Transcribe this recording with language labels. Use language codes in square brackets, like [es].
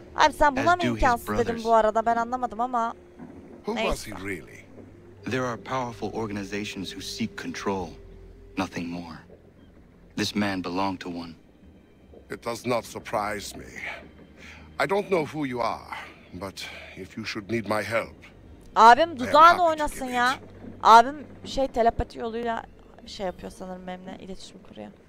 [tr] Abi sen buna mı imkansız dedin bu arada? Ben anlamadım ama. Neyse. [en] There are powerful organizations who seek control, nothing more. This man belonged to one. It does not surprise me. I don't know who you are, but if you should need my help. [tr] Abim dudağını oynasın ya. Abim şey, telepati yoluyla şey yapıyor sanırım, benimle iletişim kuruyor.